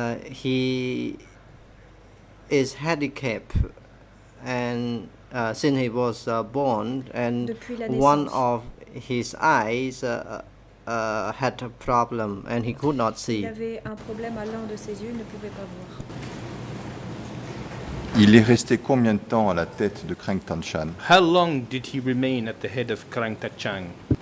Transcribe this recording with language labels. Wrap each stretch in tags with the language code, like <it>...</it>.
<en>He is handicapped and since he was born, and one of his eyes had a problem and he could not see.</en> <fr>Il avait un problème à l'un de ses yeux, il ne pouvait pas voir. Il est resté combien de temps à la tête de Krang Tangshan?</fr> <en>How long did he remain at the head of Krang Tangshan?</en>